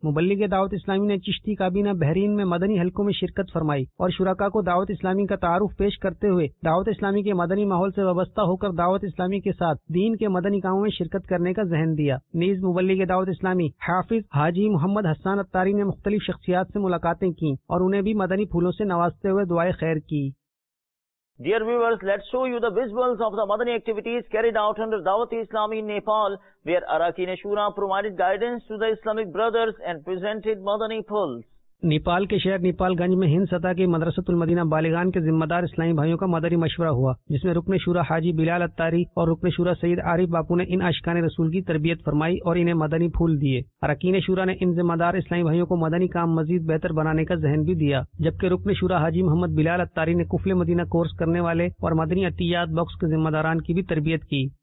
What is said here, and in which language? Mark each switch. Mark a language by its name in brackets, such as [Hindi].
[Urdu] مبلغ دعوت اسلامی نے چشتی کابینہ بحرین میں مدنی حلقوں میں شرکت فرمائی اور شرکا کو دعوت اسلامی کا تعارف پیش کرتے ہوئے دعوت اسلامی کے مدنی ماحول سے وابستہ ہو کر دعوت اسلامی کے ساتھ دین کے مدنی کاموں میں شرکت کرنے کا ذہن دیا. نیز مبلغ دعوت اسلامی حافظ حاجی محمد حسان اتاری نے مختلف شخصیات سے ملاقاتیں کی اور انہیں بھی مدنی پھولوں سے نوازتے ہوئے دعائے خیر کی. [English] Dear viewers, let's show you the visuals of the Madani activities carried out under Dawat Islami in Nepal, where Arakeen Shura provided guidance to the Islamic brothers and presented Madani pulls. [Urdu] Nepal کے شہر نیپال گنج میں ہند سطح کے مدرسۃ المدینہ بالغان کے ذمہ دار اسلامی بھائیوں کا مدنی مشورہ ہوا, جس میں رکن شورا حاجی بلال اتاری اور رکن شورا سید عارف باپو نے ان عاشقان رسول کی تربیت فرمائی اور انہیں مدنی پھول دیے. ارکین شورا نے ان ذمہ دار اسلامی بھائیوں کو مدنی کام مزید بہتر بنانے کا ذہن بھی دیا, جبکہ رکن شورا حاجی محمد بلال اتاری نے کفل مدینہ کورس کرنے والے اور مدنی عطیات باکس کے ذمہ داران کی بھی تربیت کی.